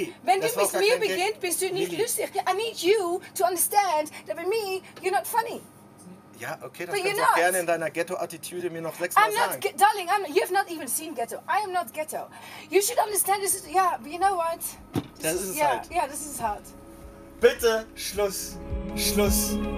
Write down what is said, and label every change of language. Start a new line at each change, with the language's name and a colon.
German: Wenn du mit mir beginnst, bist du nicht lustig.
English: I need you to understand that with me, you're not funny.
German: Ja, okay, das kannst du auch gerne in deiner Ghetto-Attitüde mir noch sechsmal sagen.
English: Darling, you have not even seen ghetto. I am not ghetto. You should understand this. Yeah, but you know what?
German: Das ist halt.
English: Yeah, this is hard.
German: Bitte, Schluss. Schluss.